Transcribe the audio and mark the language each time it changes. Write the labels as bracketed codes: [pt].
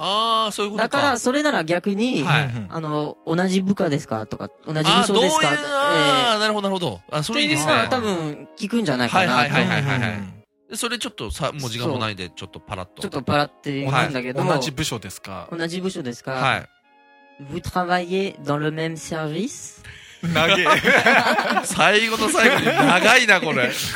[ja] ああ、そういうことか。だからそれなら逆に、はい、同じ部下ですかとか、同じ部署ですかって。ああ、なるほど、なるほど。あ、それいいですね。っていうのは多分聞くんじゃないかな。はいはいはいはい、はい。それちょっとさ、もう時間もないで、ちょっとパラッと。ちょっとパラッと言うんだけど、はい。同じ部署ですか。同じ部署ですか。はい。 [fr] Vous travaillez dans le même service? [ja] 長い。最後の最後に長いな、これ。